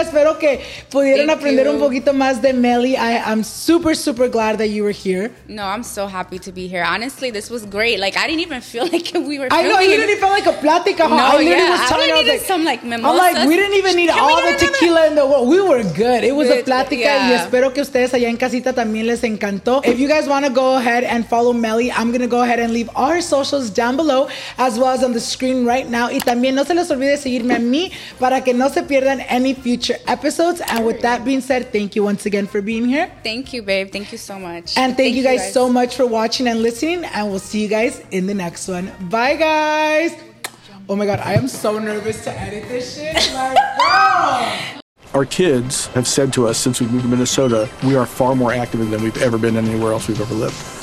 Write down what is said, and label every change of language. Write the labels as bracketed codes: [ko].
[es] Espero que pudieran Thank aprender you. Un poquito más de Melly. [en] I'm super, super glad that you were here. No, I'm so happy to be here. Honestly, this was great. Like, I didn't even feel like we were filming. I know, you didn't even feel like a platica. No, I literally was telling you. I needed some, like, mimosas. I'm like, we didn't even need all the tequila in the world. We were good. It was a platica. [es] Yeah. Y espero que ustedes allá en casita también les encantó. [en] If you guys want to go ahead and follow Melly, I'm going to go ahead and leave our socials down below as well as on the screen right now. [es] Y también no se les olvide seguirme a mí para que no se pierdan [en] any future episodes. And with that being said, thank you once again for being here. Thank you, babe. Thank you so much. And thank you guys so much for watching and listening. And we'll see you guys in the next one. Bye, guys. Oh, my God. I am so nervous to edit this shit. Like, Our kids have said to us since we've moved to Minnesota, we are far more active than we've ever been anywhere else we've ever lived.